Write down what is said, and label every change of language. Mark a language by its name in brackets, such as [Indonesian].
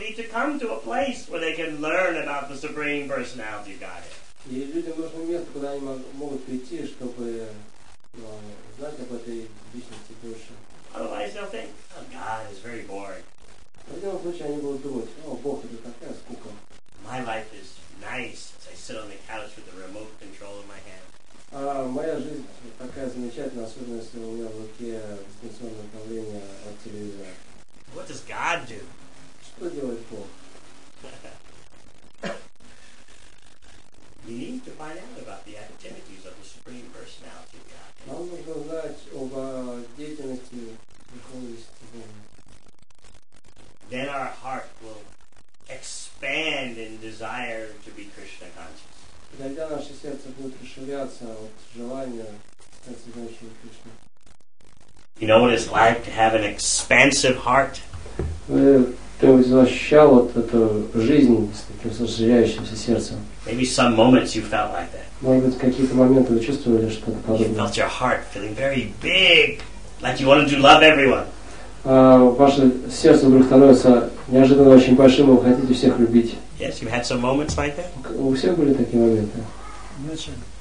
[English] come to a place where they can learn about the Supreme Personality of Godhead. [Russian] И людям нужно место, куда они могут прийти, чтобы знать об этой личности больше. [English] Otherwise they'll think, oh, God is very boring. [Russian] В этом случае они будут думать, о, Бог, это такая скука. [English] My life is nice as I sit on the couch with the remote control in my hand. [Russian] А моя жизнь такая замечательная, особенно если у меня в руке дистанционное управление от телевизора. [English] What does God do? [Russian] Что делает Бог? [English] You need to find out about the activities of the Supreme Personality of God. [Russian] Нам нужно знать об деятельности Верховности Бога. [English] Then our heart will expand in desire to be Krishna conscious. [Russian] Тогда наше сердце будет расширяться от желания стать сознающим Кришной. [English] You know what it's like to have an expansive heart? Maybe some moments you felt like that. You felt your heart feeling very big, like you wanted to love everyone. [Russian] Ваше сердце вдруг становится неожиданно очень большим, и вы хотите всех любить. [English] Yes, you had some moments like that? [Russian] У всех были такие моменты.